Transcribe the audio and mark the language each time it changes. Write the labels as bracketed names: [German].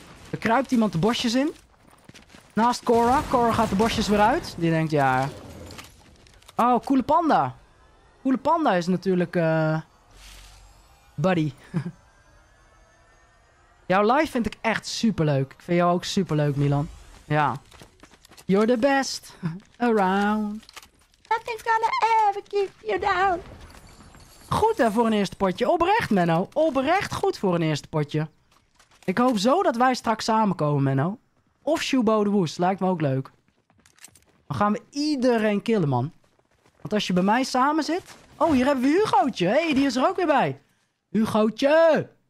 [Dutch] Er kruipt iemand de bosjes in. Naast Cora. Cora gaat de bosjes weer uit. Die denkt, ja... Oh, Coole Panda. Coole Panda is natuurlijk... Buddy. Jouw live vind ik echt superleuk. Ik vind jou ook superleuk, Milan. [English] Ja. You're the best around. Nothing's gonna ever keep you down. [Dutch] Goed, hè, voor een eerste potje. Oprecht, Menno. Oprecht goed voor een eerste potje. Ik hoop zo dat wij straks samenkomen, Menno. Of Shubo de Woes. Lijkt me ook leuk. Dan gaan we iedereen killen, man. Want als je bij mij samen zit... Oh, hier hebben we Hugootje. Hé, hey, die is er ook weer bij. Hugootje!